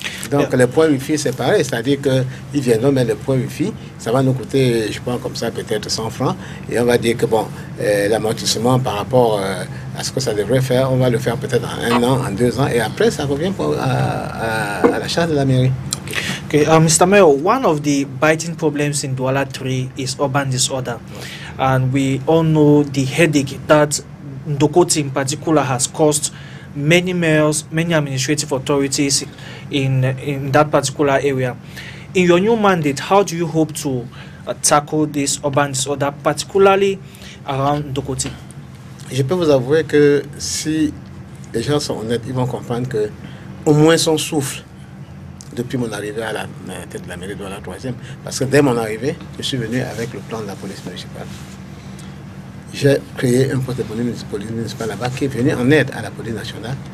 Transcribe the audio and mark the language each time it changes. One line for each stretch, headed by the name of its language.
French: Donc les points wifi, c'est pareil, c'est-à-dire qu'ils viendront mettre le point wifi, ça va nous coûter, je pense, comme ça, peut-être 100 francs, et on va dire que, bon, l'amortissement par rapport à ce que ça devrait faire, on va le faire peut-être en un an, en deux ans, et après, ça revient à la charge de la mairie.
English: Okay. Mr. Mayor, one of the biting problems in Douala 3 is urban disorder, and we all know the headache that Ndokoti in particular has caused many mayors, many administrative authorities in that particular area. In your new mandate, how do you hope to tackle this urban disorder, particularly around Ndokoti?
French: Je peux vous avouer que si les gens sont honnêtes, ils vont comprendre que au moins son souffle depuis mon arrivée à la tête de la mairie de la 3e, parce que dès mon arrivée, je suis venu avec le plan de la police municipale. J'ai créé un poste de police municipale là-bas qui est venu en aide à la police nationale.